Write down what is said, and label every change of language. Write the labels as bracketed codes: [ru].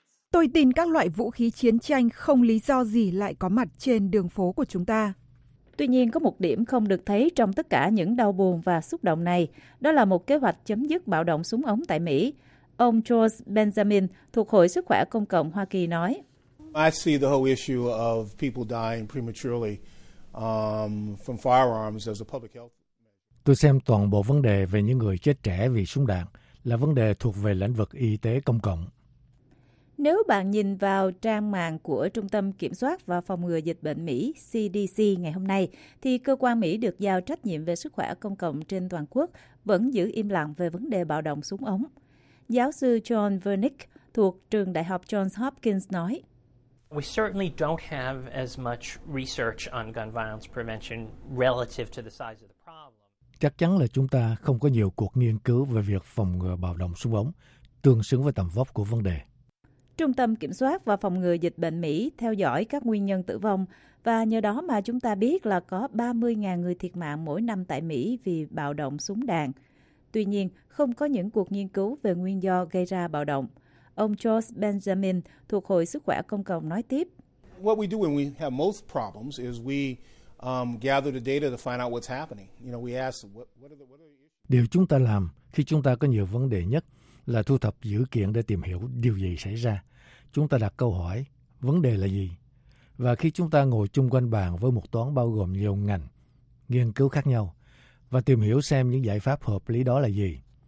[vi] Tôi tin các loại vũ khí chiến tranh không lý do gì lại có mặt trên đường phố của chúng ta. Tuy nhiên, có một điểm không được thấy trong tất cả những đau buồn và xúc động này, đó là một kế hoạch chấm dứt bạo động súng ống tại Mỹ. Ông George Benjamin thuộc Hội Sức khỏe Công cộng Hoa Kỳ nói. [en] I see the whole issue of people dying prematurely. From firearms as a public health measure. [vi] Tôi xem toàn bộ vấn đề về những người chết trẻ vì súng đạn là vấn đề thuộc về lĩnh vực y tế công cộng. Nếu bạn nhìn vào trang mạng của Trung tâm Kiểm soát và Phòng ngừa Dịch bệnh Mỹ CDC ngày hôm nay, thì cơ quan Mỹ được giao trách nhiệm về sức khỏe công cộng trên toàn quốc vẫn giữ im lặng về vấn đề bạo động súng ống. Giáo sư John Vernick thuộc Trường Đại học Johns Hopkins nói, [en] We certainly don't have as much research on gun violence prevention relative to the size of the problem. [vi] Chắc chắn là chúng ta không có nhiều cuộc nghiên cứu về việc phòng ngừa bạo động súng ống tương xứng với tầm vóc của vấn đề. Trung tâm Kiểm soát và Phòng ngừa Dịch bệnh Mỹ theo dõi các nguyên nhân tử vong và nhờ đó mà chúng ta biết là có 30.000 người thiệt mạng mỗi năm tại Mỹ vì bạo động súng đạn. Tuy nhiên, không có những cuộc nghiên cứu về nguyên do gây ra bạo động. Ông George Benjamin thuộc Hội Sức khỏe Công cộng nói tiếp. [en] What we do when we have most problems is we gather the data to find out what's happening. You know, we ask what are the issues? [vi] Điều chúng ta làm khi chúng ta có nhiều vấn đề nhất là thu thập dữ kiện để tìm hiểu điều gì xảy ra. Chúng ta đặt câu hỏi, vấn đề là gì? Và khi chúng ta ngồi chung quanh bàn với một toán bao gồm nhiều ngành, nghiên cứu khác nhau, và tìm hiểu xem những giải pháp hợp lý đó là gì.